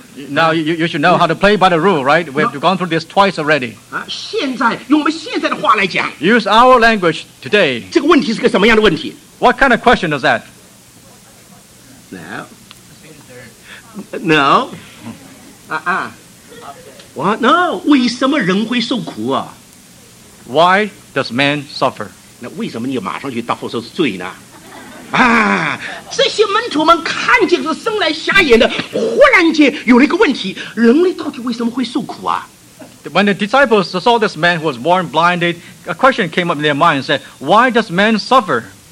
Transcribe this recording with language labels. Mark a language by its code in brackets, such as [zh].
[en] now you should know how to play by the rule, right? We have gone through this twice already. [zh] 现在,用我们现在的话来讲, [en] use our language today. [zh] 这个问题是个什么样的问题? [en] What kind of question is that? No. No. What? No. [zh] 为什么人会受苦啊? [en] Why does man suffer? [zh] 那为什么你马上去答复说是罪呢?这些门徒们看见这生来瞎眼的,忽然间有了一个问题,人类到底为什么会受苦啊? [en] When the disciples saw this man who was born blinded, a question came up in their mind and said, why does man suffer?